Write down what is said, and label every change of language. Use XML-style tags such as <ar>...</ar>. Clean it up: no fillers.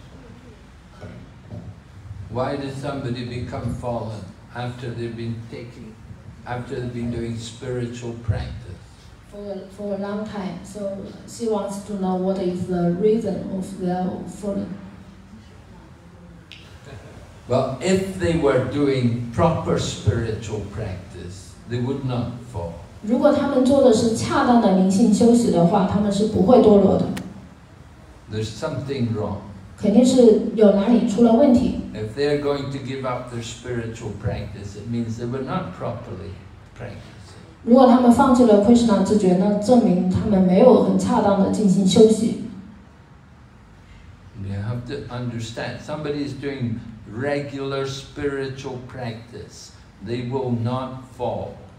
<zh>也有一定的基础了，为什么就是在修着修着它就掉下去了？就是我想问，这究竟什么原因？造成它这种堕落还是Krishna？</zh> <en>Why does somebody become fallen after they've been taking, after they've been doing spiritual practice? For a long time, so she wants to know what is the reason of their falling. Well, if they were doing proper spiritual practice, they would not fall.</en> <zh>如果他们做的是恰当的灵性修习的话，他们是不会堕落的。</zh> <en>There's something wrong.</en> <zh>肯定是有哪里出了问题。</zh> <en>If they're going to give up their spiritual practice, it means they were not properly practicing.</en> <zh>如果他们放弃了Krishna知觉，那证明他们没有很恰当的进行修习。</zh> <en>You have to understand, somebody is doing regular spiritual practice, they will not fall.</en>